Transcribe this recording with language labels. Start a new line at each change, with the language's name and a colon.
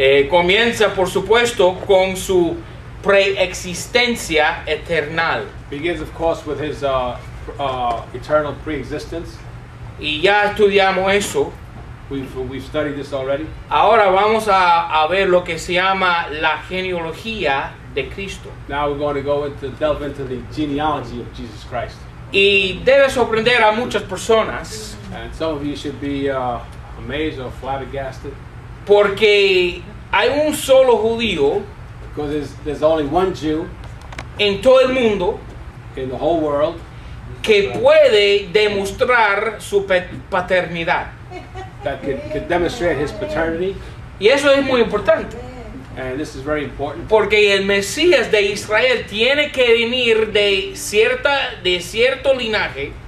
Spanish: comienza, por supuesto, con su preexistencia eterna.
English: Begins, of course, with his eternal preexistence.
Spanish: Y ya estudiamos eso.
English: We've studied this already.
Spanish: Ahora vamos a ver lo que se llama la genealogía de Cristo.
English: Now we're going to go into delve into the genealogy of Jesus Christ.
Spanish: Y debe sorprender a muchas personas.
English: And some of you should be amazed or flabbergasted.
Spanish: Porque hay un solo judío.
English: Because there's only one Jew.
Spanish: En todo el mundo.
English: In the whole world.
Spanish: Que puede demostrar su paternidad.
English: That could demonstrate his paternity.
Spanish: Y eso es muy importante.
English: And this is very important.
Spanish: Porque el Mesías de Israel tiene que venir de cierto linaje.